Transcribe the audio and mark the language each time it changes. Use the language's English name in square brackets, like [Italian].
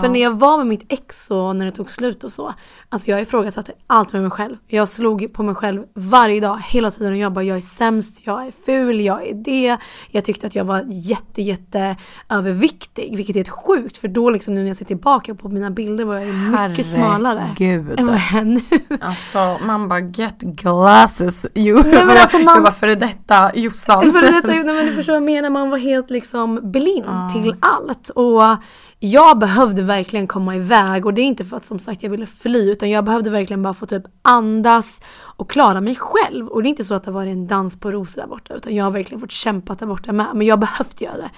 [Swedish] För när jag var med mitt ex och när det tog slut och så, alltså jag ifrågasatte allt med mig själv. Jag slog på mig själv varje dag, hela tiden, och jag bara, jag är sämst, jag är ful, jag är det. Jag tyckte att jag var jätte överviktig, vilket är ett sjukt. För då liksom, nu när jag ser tillbaka på mina bilder, var jag mycket smalare. Herregud. Än vad jag är nu. Alltså, man bara, [English] get glasses, you. [Swedish] Nej, men alltså, man... Jag bara, för detta, Jossan. För detta, nej, men du förstår vad jag menar, man var helt liksom blind till allt. Och jag behövde verkligen komma iväg. Och det är inte för att, som sagt, jag ville fly, utan jag behövde verkligen bara få typ andas och klara mig själv. Och det är inte så att det var en dans på rosor där borta, utan jag har verkligen fått kämpa där borta med. Men jag behövde göra det.